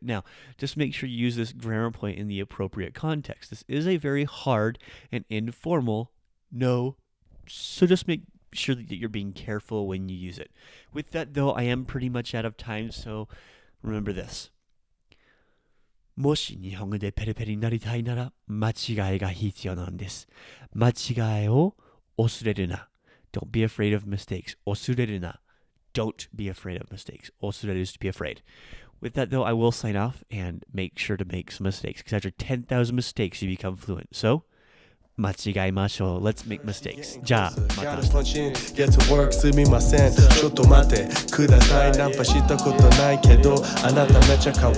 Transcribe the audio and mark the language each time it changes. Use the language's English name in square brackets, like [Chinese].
[English] Now, just make sure you use this grammar point in the appropriate context. This is a very hard and informal no, so just make sure that you're being careful when you use it. With that, though, I am pretty much out of time, so remember this. [Japanese] もし日本語でペリペリになりたいなら間違いが必要なんです。間違いを恐れるな。 [English] Don't be afraid of mistakes. [Japanese] 恐れるな。 [English] Don't be afraid of mistakes. 恐れる is to be afraid. With that though, I will sign off and make sure to make some mistakes. Because after 10,000 mistakes, you become fluent. So... [Japanese] 間違いましょう。 [English] Let's make mistakes. [Japanese] じゃあ、また。 [English] Gotta punch in, get to work, [Japanese] すみません。ちょっと待ってください。ナンパしたことないけど、あなためちゃ可愛い。